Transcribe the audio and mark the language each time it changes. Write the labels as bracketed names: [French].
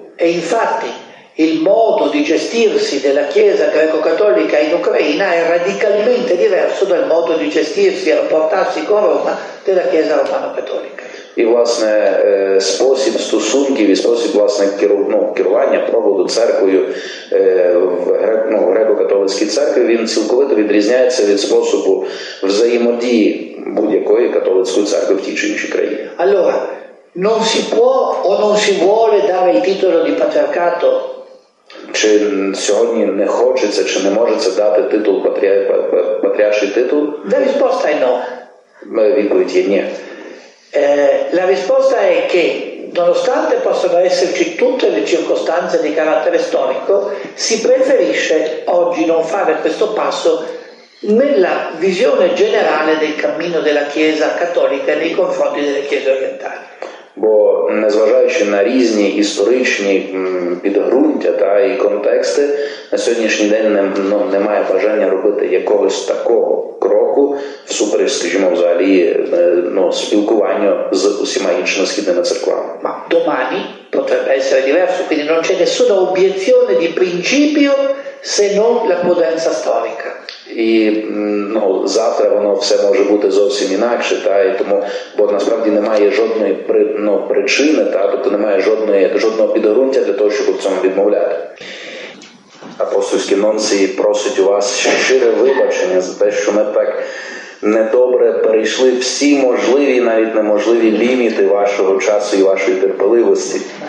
[Italian] E infatti il modo di gestirsi della Chiesa greco-cattolica in Ucraina è radicalmente diverso dal modo di gestirsi e rapportarsi con Roma della Chiesa romano-cattolica. [Ukrainian] І, власне, спосіб стосунків і спосіб, власне, керування проводу церквою в греко-католицькій церкві, він цілковито відрізняється від способу взаємодії будь-якої католицької церкви в тій чи іншій країні. [Italian] Allora, non si può o non si vuole dare il titolo di patriarcato [Ukrainian] чи сьогодні не хочеться, чи не можеться дати титул патріарший титул? [Italian] La risposta è no. [Ukrainian] Відповідь є ні. [Italian] La risposta è che nonostante possano esserci tutte le circostanze di carattere storico, si preferisce oggi non fare questo passo nella visione generale del cammino della Chiesa cattolica nei confronti delle Chiese orientali. [Ukrainian] Бо незважаючи на різні історичні підґрунтя та і контексти, на сьогоднішній день немає бажання робити якогось такого кроку всупереч, скажімо, взагалі спілкуванню з усіма іншими східними церквами. [Italian] Ma domani potrebbe essere diverso, quindi non c'è nessuna obiezione di principio se non la prudenza storica. [Ukrainian] І завтра воно все може бути зовсім інакше, та і тому, бо насправді немає жодної причини, та тобто немає жодного підґрунтя для того, щоб у цьому відмовляти. Апостольський нунцій просить у вас щире вибачення за те, що ми так недобре перейшли всі можливі, навіть неможливі ліміти вашого часу і вашої терпеливості.